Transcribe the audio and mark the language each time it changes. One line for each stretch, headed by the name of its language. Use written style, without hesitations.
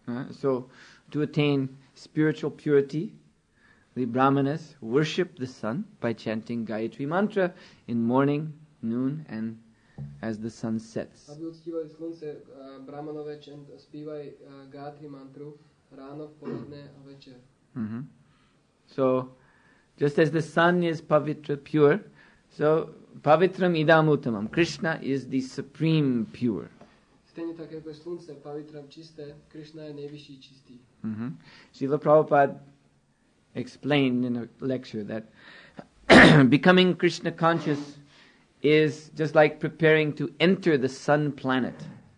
English: So, to attain spiritual purity, the brahmanas worship the sun by chanting Gayatri mantra in morning, noon, and as the sun sets.
Czech: Aby uctívali slunce, brahmanové zpívají Gayatri mantru ráno, v poledne a večer.
English: So, just as the sun is pavitra pure, so
Sanskrit: pavitram idam uttamam,
English: Krishna is the supreme pure.
Czech: Stejně tak jako slunce, pavitram čisté, Krishna je nejvyšší čistý.
English: Srila Prabhupada explained in a lecture that becoming Krishna conscious is just like preparing to enter the sun planet.